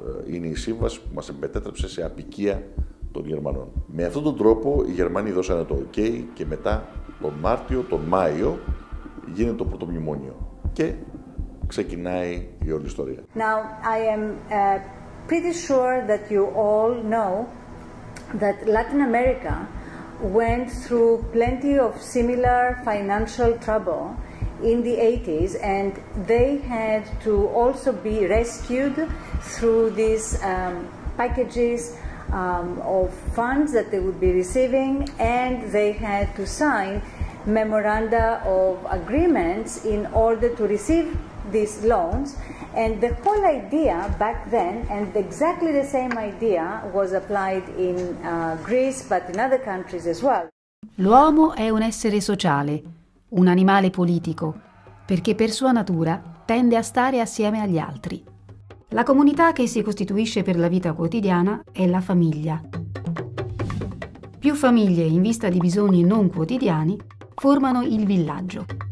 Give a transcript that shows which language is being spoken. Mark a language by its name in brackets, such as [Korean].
[Greek] Είναι η σύμβαση που μας εμπετέτρεψε σε απικία των Γερμανών. Με αυτόν τον τρόπο οι Γερμανοί δώσανε το OK και μετά τον Μάρτιο, τον Μάιο γίνεται το πρώτο μνημόνιο και ξεκινάει η όλη ιστορία. [English] Now, I am pretty sure that you all know that Latin America went through plenty of similar financial trouble in the 80s and they had to also be rescued through these packages of funds that they would be receiving and they had to sign memoranda of agreements in order to receive these loans, and the whole idea back then, and exactly the same idea was applied in Greece, but in other countries as well. [Italian] L'uomo è un essere sociale, un animale politico, perché per sua natura tende a stare assieme agli altri. La comunità che si costituisce per la vita quotidiana è la famiglia. Più famiglie in vista di bisogni non quotidiani formano il villaggio.